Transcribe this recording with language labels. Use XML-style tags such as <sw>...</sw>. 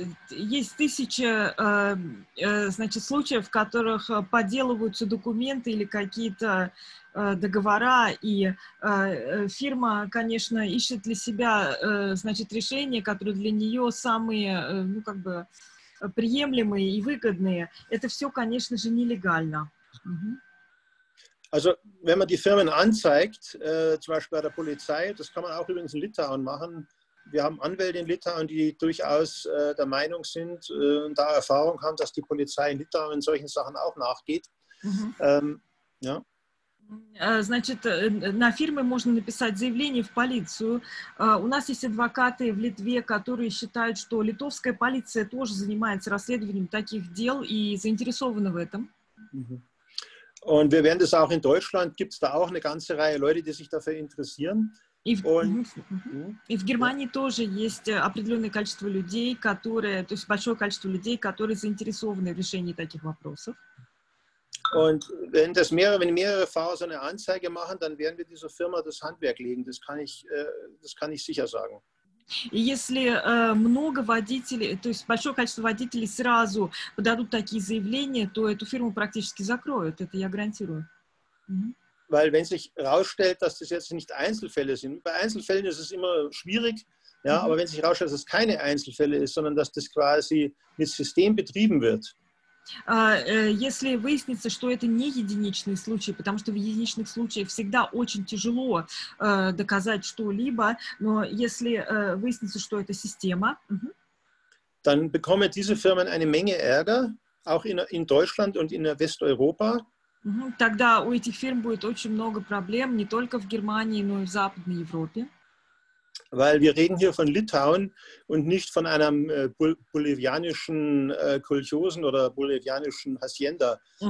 <ru>Есть тысячи, значит, случаев, в которых подделываются документы или какие-то договора, и фирма, конечно, ищет для себя, значит, решения, которые для нее самые, ну, как бы, приемлемые и выгодные. Это все, конечно же, нелегально.</ru> <de>Also, wenn man die Firmen anzeigt, zum Beispiel bei der Polizei, das kann man auch übrigens in Litauen machen. Wir haben Anwälte in Litauen, die durchaus der Meinung sind und da Erfahrung haben, dass die Polizei in Litauen in solchen Sachen auch nachgeht. Ja.</de> <ru>Значит, на фирмы можно написать заявление в полицию. У нас есть адвокаты в Литве, которые считают, что литовская полиция тоже занимается расследованием таких дел и заинтересована в этом.</ru> <de>Und wir werden das auch in Deutschland, gibt es da auch eine ganze Reihe Leute, die sich dafür interessieren.</de> <ru>И в Германии тоже есть определенное количество людей, которые, то есть большое количество людей, которые заинтересованы в решении таких вопросов.</ru> <de>Und wenn das mehrere, wenn mehrere Fahrer so eine Anzeige machen, dann werden wir dieser Firma das Handwerk legen, das kann ich sicher sagen.</de> <ru>И если много водителей, то есть большое количество водителей сразу подадут такие заявления, то эту фирму практически закроют, это я гарантирую.</ru> <de>Weil wenn sich herausstellt, dass das jetzt nicht Einzelfälle sind, bei Einzelfällen ist es immer schwierig, ja, aber wenn sich herausstellt, dass es keine Einzelfälle ist, sondern dass das quasi mit System betrieben wird.</de> <ru>Если выяснится, что это не единичный случай, потому что в единичных случаях всегда очень тяжело доказать что-либо, но если выяснится, что это система,</ru> <de>dann bekommen diese Firmen eine Menge Ärger, auch in Deutschland und in Westeuropa.</de> <ru>Тогда у этих фирм будет очень много проблем, не только в Германии, но и в Западной Европе.</ru> <de>Weil wir reden hier von Litauen und nicht von einem bolivianischen Kolchosen oder bolivianischen Hacienda.</de>